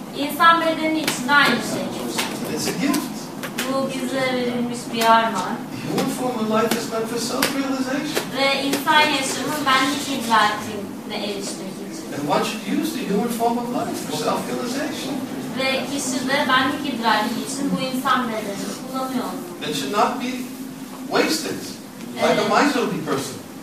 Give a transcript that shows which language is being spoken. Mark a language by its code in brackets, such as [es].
[tr] İnsan bedeni için aynı şey. [en] It's a gift. [tr] Bu bize verilmiş bir armağan. [en] One form of life is meant for self-realization. [tr] Ve insan yaşamı benlik idrakine erişmek için. [en] And one should use the human form of life for self-realization. [tr] Ve kişi de benlik idrakı için bu insan bedenini kullanıyor. [en] It should not be wasted, like a miserly person.